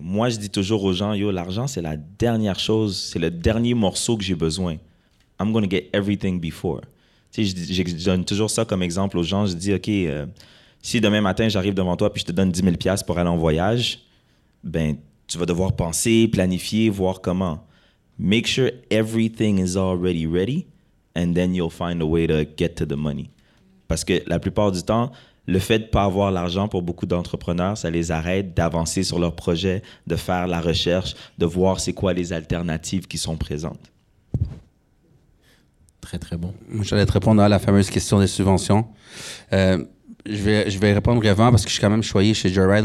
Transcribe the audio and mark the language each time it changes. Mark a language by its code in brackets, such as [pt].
[fr] Moi, je dis toujours aux gens « Yo, l'argent, c'est la dernière chose, c'est le dernier morceau que j'ai besoin. [en] I'm going to get everything before. [fr] » Tu sais, je donne toujours ça comme exemple aux gens. Je dis, OK, si demain matin, j'arrive devant toi puis je te donne 10 000 $ pour aller en voyage, ben tu vas devoir penser, planifier, voir comment. [en] make sure everything is already ready, and then you'll find a way to get to the money. [fr] Parce que la plupart du temps, le fait de ne pas avoir l'argent pour beaucoup d'entrepreneurs, ça les arrête d'avancer sur leur projet, de faire la recherche, de voir c'est quoi les alternatives qui sont présentes. Très, très bon. J'allais te répondre à la fameuse question des subventions. Je vais répondre brièvement parce que je suis quand même choyé chez Joyride.